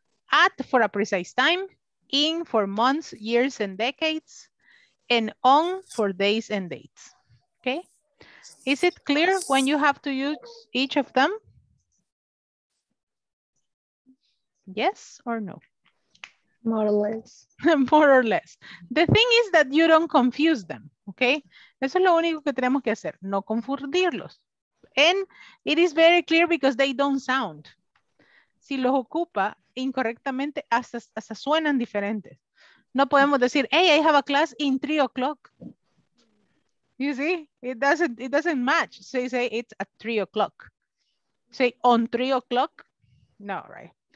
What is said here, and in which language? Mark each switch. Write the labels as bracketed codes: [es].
[en] At for a precise time, in for months, years, and decades, and on for days and dates, okay? Is it clear when you have to use each of them? Yes or no? More or less. More or less. The thing is that you don't confuse them, okay? [es] Eso es lo único que tenemos que hacer, no confundirlos. [en] And it is very clear because they don't sound. [es] Si los ocupa incorrectamente, hasta suenan diferentes. No podemos decir, [en] hey, I have a class in 3 o'clock. You see, it doesn't match. So you say it's at 3 o'clock. Say on 3 o'clock. No, right.